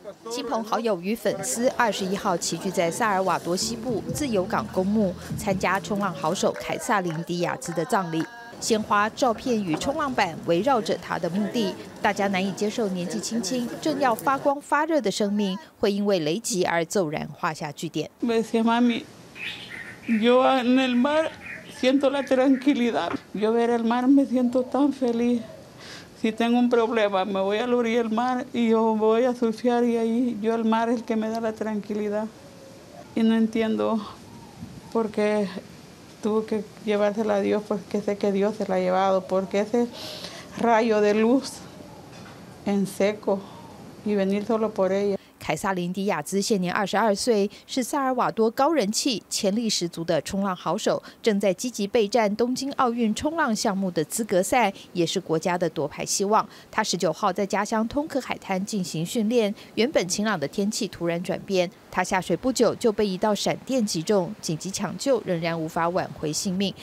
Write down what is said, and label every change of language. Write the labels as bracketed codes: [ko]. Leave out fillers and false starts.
[zh] 亲朋好友与粉丝21号齐聚在萨尔瓦多西部自由港公墓，参加冲浪好手凯撒琳·迪亚兹的葬礼。鲜花、照片与冲浪板围绕着他的墓地，大家难以接受年纪轻轻正要发光发热的生命会因为雷击而骤然画下句点。 [es] Me decía mami, yo en el mar siento la tranquilidad. Yo ver el mar me siento tan feliz. Si tengo un problema, me voy a lurir el mar y yo voy a surfear y ahí yo el mar es el que me da la tranquilidad. Y no entiendo por qué. Tuvo que llevársela a Dios porque sé que Dios se la ha llevado, porque ese rayo de luz en seco y venir solo por ella. [zh] 凯撒琳·迪亚兹现年22岁，是萨尔瓦多高人气、潜力十足的冲浪好手，正在积极备战东京奥运冲浪项目的资格赛，也是国家的夺牌希望。他19号在家乡通克海滩进行训练，原本晴朗的天气突然转变，他下水不久就被一道闪电击中，紧急抢救仍然无法挽回性命。